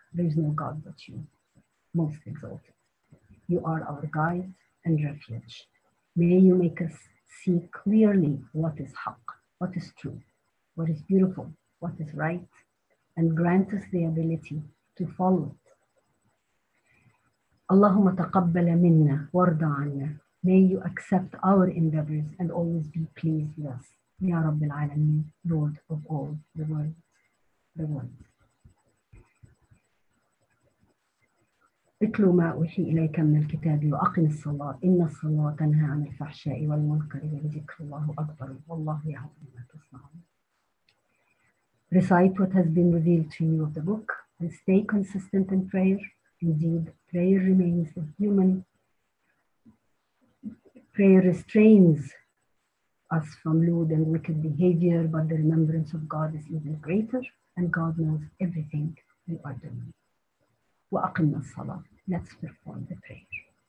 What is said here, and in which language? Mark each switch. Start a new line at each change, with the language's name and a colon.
English: There is no God but you, most exalted. You are our guide and refuge. May you make us see clearly what is haq, what is true, what is beautiful, what is right, and grant us the ability to follow it.
Arabic: اللهم تقبل منا وارضى عنا.
English: May you accept our endeavors and always be pleased with us.
Arabic: Ya Rabbil Alameen,
English: Lord of all the world, the world.
Arabic: اتلو ما أوحي إليك من الكتاب وأقم الصلاة إن الصلاة تنهى عن الفحشاء والمنكر ولذكر الله أكبر والله يعلم ما تصنعون.
English: Recite what has been revealed to you of the book and stay consistent in prayer. Indeed, prayer remains the human. Prayer restrains us from lewd and wicked behavior, but the remembrance of God is even greater, and God knows everything we are doing.
Arabic: وَأَقِمْنَا الصَّلَاةِ.
English: Let's perform the prayer.